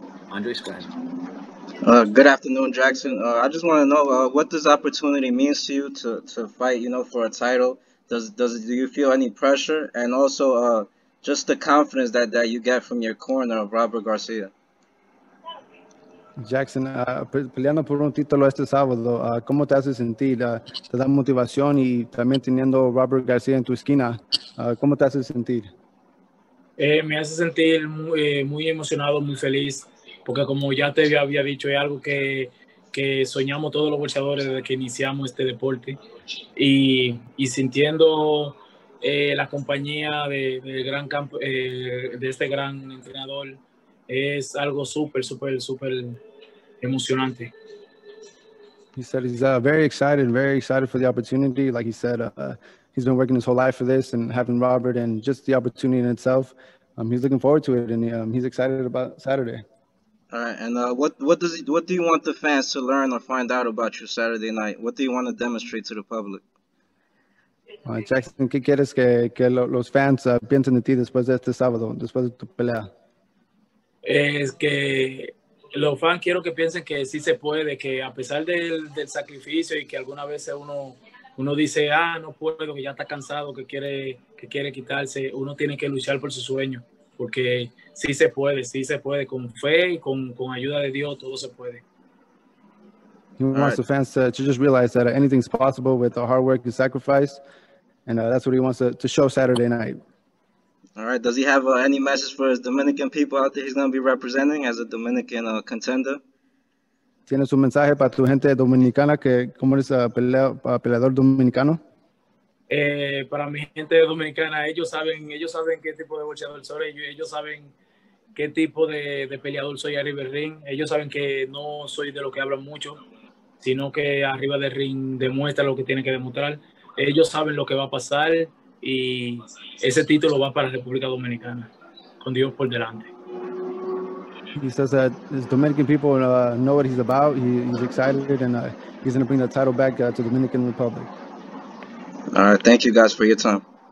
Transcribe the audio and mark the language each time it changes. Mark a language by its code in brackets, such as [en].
[en] Andres, go ahead. Good afternoon, Jackson. I just want to know what this opportunity means to you to fight, you know, for a title. Do you feel any pressure? And also, just the confidence that you get from your corner of Robert Garcia. [es] Jackson, peleando por un título este sábado, ¿cómo te hace sentir? ¿Te da motivación y también teniendo Robert Garcia en tu esquina? ¿Cómo te hace sentir? Me hace sentir muy emocionado, muy feliz, porque como ya te había dicho, es algo que soñamos todos los boxeadores desde que iniciamos este deporte. Y sintiendo la compañía de este gran entrenador, es algo súper, súper, súper emocionante. [en] He said he's very excited for the opportunity. Like he said, he's been working his whole life for this and having Robert and just the opportunity in itself. He's looking forward to it and he's excited about Saturday. All right, and what do you want the fans to learn or find out about you Saturday night? What do you want to demonstrate to the public? [es] Jackson, ¿qué quieres que los fans piensen de ti después de este sábado, después de tu pelea? Es que los fans quiero que piensen que sí se puede, que a pesar del sacrificio y que alguna vez uno dice, ah, no puedo, que ya está cansado, que quiere quitarse, uno tiene que luchar por su sueño. Porque sí se puede con fe y con ayuda de Dios todo se puede. [en] He wants the fans to just realize that anything's possible with the hard work and sacrifice, and that's what he wants to show Saturday night. All right. Does he have any message for his Dominican people out there? He's going to be representing as a Dominican contender. [es] ¿Tienes un mensaje para tu gente dominicana que cómo es peleador dominicano? Para mi gente dominicana, ellos saben qué tipo de boxeador soy, ellos saben qué tipo de peleador soy arriba del ring, ellos saben que no soy de lo que hablan mucho, sino que arriba del ring demuestra lo que tiene que demostrar, ellos saben lo que va a pasar y ese título va para la República Dominicana, con Dios por delante. [en] He says that his Dominican people know what he's about, he's excited and he's going to bring the title back to the Dominican Republic. All right. Thank you guys for your time.